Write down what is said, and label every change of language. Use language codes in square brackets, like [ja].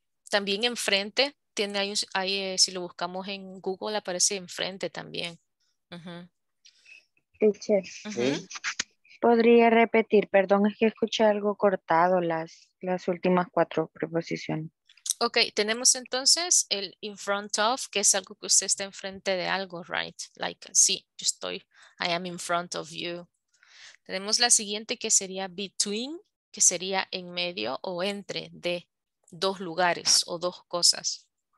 [es] También enfrente, tiene ahí, si lo buscamos en Google, aparece enfrente también. teacher. ¿Podría repetir? Perdón, es que escuché algo cortado las últimas cuatro preposiciones. Ok, tenemos entonces el in front of, que es algo que usted está enfrente de algo, [en] right? Like, [es] sí, yo estoy, [en] I am in front of you. [es] Tenemos la siguiente que sería between, que sería en medio o entre de dos lugares o dos cosas.